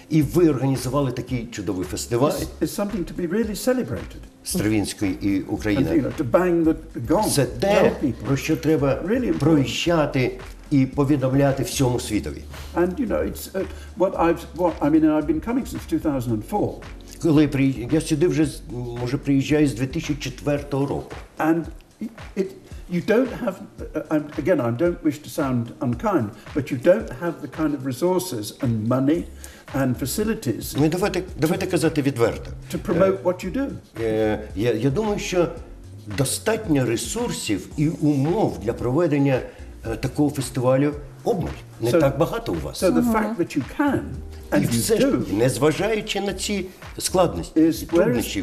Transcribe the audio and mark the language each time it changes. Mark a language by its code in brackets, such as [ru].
[uk] І ви організували такий чудовий фестиваль. [en] It's something to be really celebrated. [uk] Стравінської і України. [en] And, you know, to bang the gong. [uk] Це те, про що треба [en] really [uk] провіщати і повідомляти всьому світові. [en] And you know, it's I've been coming since 2004. [uk] Коли я сюди вже може приїжджаю з 2004 року. [en] And it you don't have again I don't wish to sound unkind but you don't have the kind of resources and money and facilities. [uk] Ну, давайте казати відверто. [en] To promote what you do. [uk] Я думаю, що достатньо ресурсів і умов для проведення такого фестивалю обмаль. Не [en] so, [uk] так багато у вас. [en] So the fact that you can and [uk] і все, [en] you do, [uk] незважаючи на ці складності, труднощі,